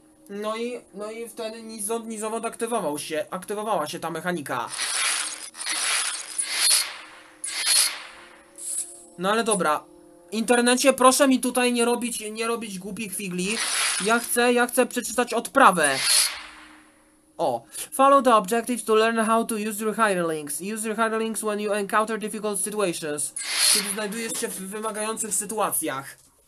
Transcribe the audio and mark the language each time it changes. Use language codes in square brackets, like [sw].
[pl] No i wtedy nizowod aktywowała się ta mechanika. No ale dobra. Internecie, proszę mi tutaj nie robić głupich figli. Ja chcę przeczytać odprawę. O. [en] Follow the objectives to learn how to use your hirelings. Use your hirelings when you encounter difficult situations. [pl] Kiedy znajdujesz się w wymagających sytuacjach.